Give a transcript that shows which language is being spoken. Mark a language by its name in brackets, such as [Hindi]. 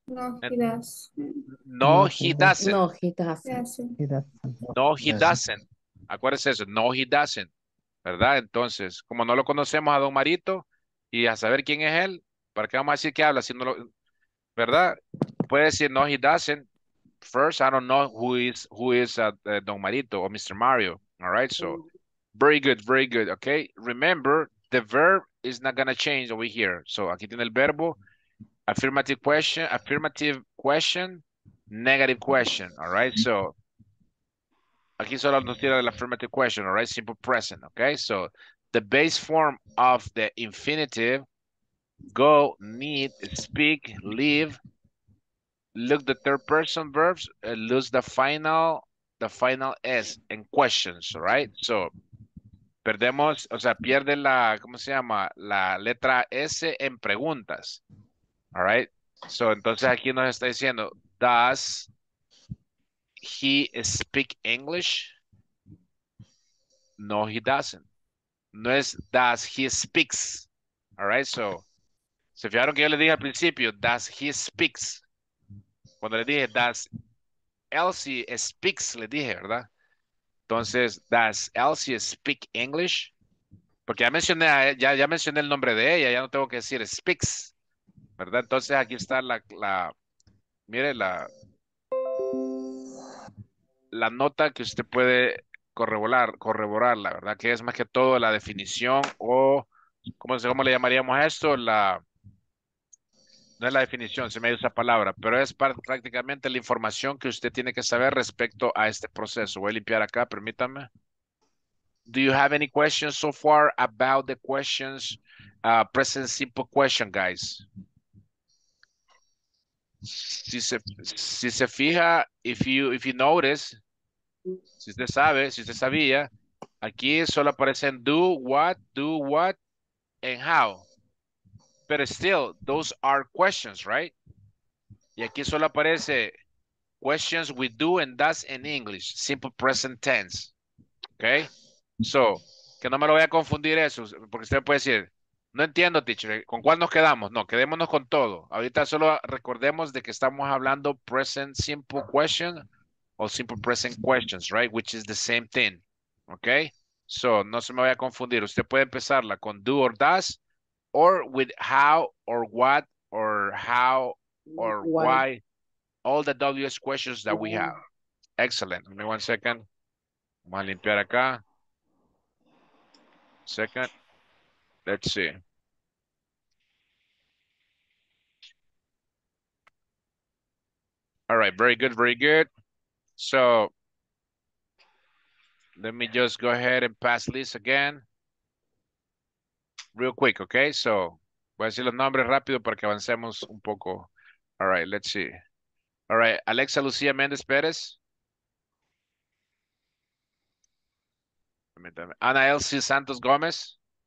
[English] No, he does. No, he doesn't. No, he doesn't. No, he doesn't. [Spanish] Acuérdense eso. [English] No, he doesn't. [Spanish] ¿Verdad? Entonces, como no lo conocemos a Don Marito y a saber quién es él, ¿para qué vamos a decir que habla? Si no lo, ¿verdad? Puede decir [English] no, he doesn't. First, I don't know who is Don Marito o Mr. Mario. All right, so... Very good, very good. Okay, remember the verb is not gonna change over here. So [Spanish] aquí tiene el verbo, [English] affirmative question, negative question. All right. So [Spanish] aquí solo nos tira la [English] affirmative question. All right. Simple present. Okay. So the base form of the infinitive: go, need, speak, leave. Look, the third person verbs lose the final s in questions. All right. [Spanish] So perdemos, o sea, pierde la, ¿cómo se llama? La letra S en preguntas. [English] All right. [Spanish] So, entonces aquí nos está diciendo, [English] does he speak English? No, he doesn't. [Spanish] No es [English] does he speaks. All right. [Spanish] So, ¿se fijaron que yo le dije al principio? Does he speaks. Cuando le dije, [English] does Elsie speaks, [Spanish] le dije, ¿verdad? Entonces, [English] does Elsie speak English? [Spanish] Porque ya mencioné, ya mencioné el nombre de ella, ya no tengo que decir speaks, ¿verdad? Entonces, aquí está la nota que usted puede corroborarla, ¿verdad? Que es más que todo la definición o, ¿cómo le llamaríamos esto? No es la definición, se me ha ido esa palabra, pero es prácticamente la información que usted tiene que saber respecto a este proceso. Voy a limpiar acá, permítame. [English] Do you have any questions so far about the questions, present simple question, guys? [Spanish] Si se fija, [English] if you notice, [Spanish] si usted sabe, si usted sabía, aquí solo aparecen [English] do what, and how. But still, those are questions, right? [Spanish] Y aquí solo aparece [English] questions with do and does in English. Simple present tense. Okay? [Spanish] So, que no me lo voy a confundir eso, porque usted puede decir, no entiendo, teacher, ¿con cuál nos quedamos? No, quedémonos con todo. Ahorita solo recordemos de que estamos hablando [English] present simple question [Spanish] o [English] simple present questions, right? Which is the same thing. Okay? So, [Spanish] no se me vaya a confundir. Usted puede empezarla con [English] do or does, or with how or what or how or why, all the WS questions that we have. Excellent. Give me 1 second. I'm gonna [Spanish] limpiar acá. [English] Second. Let's see. All right. Very good. Very good. So let me just go ahead and pass this again. Real quick, okay? [Spanish] So, voy a decir los nombres rápido para que avancemos un poco. [English] All right, let's see. All right, Alexa Lucía Méndez Pérez. Ana Elsie Santos Gómez.